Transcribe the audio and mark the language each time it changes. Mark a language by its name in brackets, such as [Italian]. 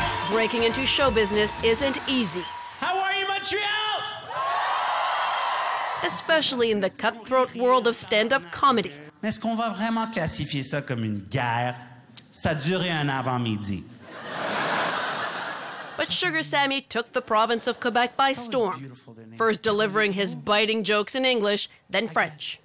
[English] Breaking into show business isn't easy. How are you, Montreal? Especially in the cutthroat world of stand-up comedy. [French] Mais est-ce qu'on va vraiment classifier ça comme une guerre? Ça durait un avant-midi. [English] But Sugar Sammy took the province of Quebec by storm, first delivering his biting jokes in English, then French.